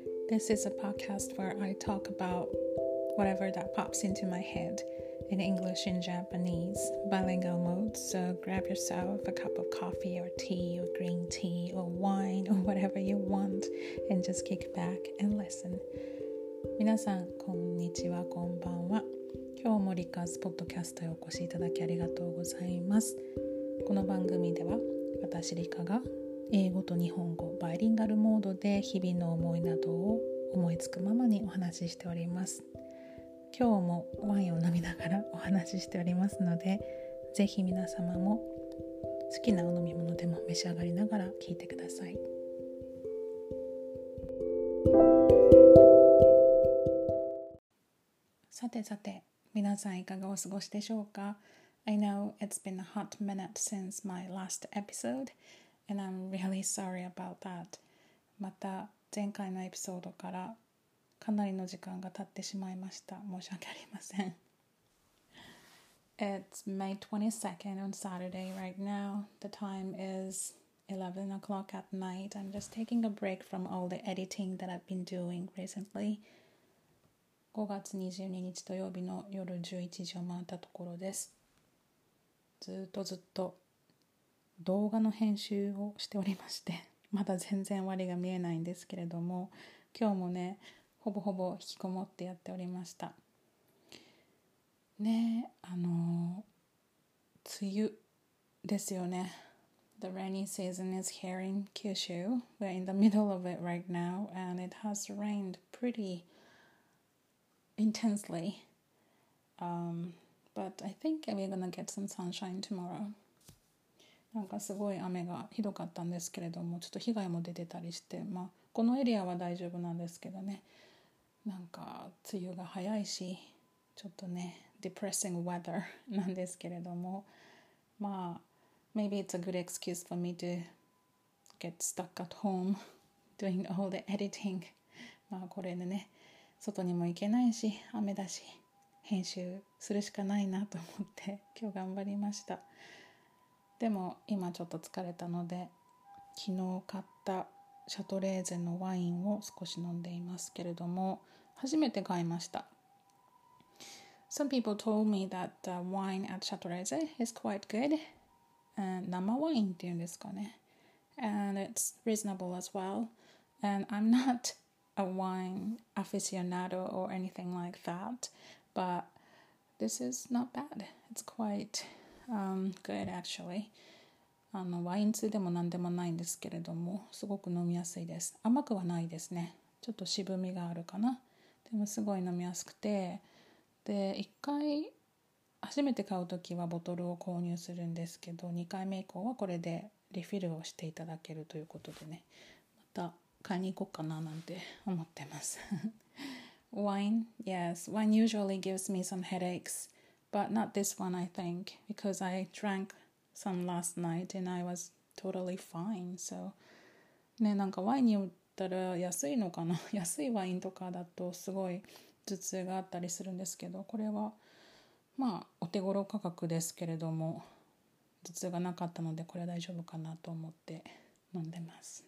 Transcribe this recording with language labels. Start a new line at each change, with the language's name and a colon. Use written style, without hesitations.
English: This is a podcast where I talk about whatever that pops into my head in English and Japanese, bilingual mode. So grab yourself a cup of coffee or tea or green tea or wine or whatever you want and just kick back and listen.
Japanese: 皆さん、こんにちは、こんばんは。今日もリカーズポッドキャストへお越しいただきありがとうございます。この番組では、私リカが英語と日本語、バイリンガルモードで日々の思いなどを思いつくままにお話ししております。今日もワインを飲みながらお話ししておりますので、ぜひ皆様も好きなお飲み物でも召し上がりながら聞いてください。さてさて、皆さんいかがお過ごしでしょうか?
English: I know it's been a hot minute since my last episode, and I'm really sorry about that.
Japanese: また前回のエピソードからかなりの時間が経ってしまいました。申し訳ありません。
English: It's May 22nd on Saturday right now. The time is 11 o'clock at night. I'm just taking a break from all the editing that I've been doing recently.
Japanese: 5月22日土曜日の夜11時を回ったところです。ずっとずっと動画の編集をしておりまして、まだ全然終わりが見えないんですけれども、今日もね、ほぼほぼ引きこもってやっておりました。ね、梅雨ですよね。
English: The rainy season is here in Kyushu. We're in the middle of it right now, and it has rained pretty... intensely, but I think we're gonna get some sunshine tomorrow.
Japanese: なんかすごい雨がひどかったんですけれども、ちょっと被害も出てたりして、まあこのエリアは大丈夫なんですけどね。なんか梅雨が早いし、ちょっとね、
English: depressing weather
Japanese: なんですけれども、まあ
English: maybe it's a good excuse for me to get stuck at home doing all the editing.
Japanese: まあこれでね。外にも行けないし雨だし編集するしかないなと思って今日頑張りました。でも今ちょっと疲れたので昨日買ったシャトレーゼのワインを少し飲んでいますけれども、初めて買いました。
English: Some people told me that the wine at シャトレーゼ is quite good、
Japanese: 生ワインっていうんですかね、
English: and it's reasonable as well, and I'm nota wine aficionado or anything like that, but this is not bad. It's quite good actually.
Japanese: ワイン通でもなんでもないんですけれども、すごく飲みやすいです。甘くはないですね。ちょっと渋みがあるかな。でもすごい飲みやすくて、で一回初めて買うときはボトルを購入するんですけど、二回目以降はこれでリフィルをしていただけるということでね。また。買いに行こうかななんて思ってます。
English: Wine, yes. Wine usually gives me some headaches, but not this one, I think, because I drank some last night and I was totally fine. So,
Japanese: ね、なんかワインに言ったら安いのかな。安いワインとかだとすごい頭痛があったりするんですけど、これはまあお手頃価格ですけれども、頭痛がなかったのでこれは大丈夫かなと思って飲んでます。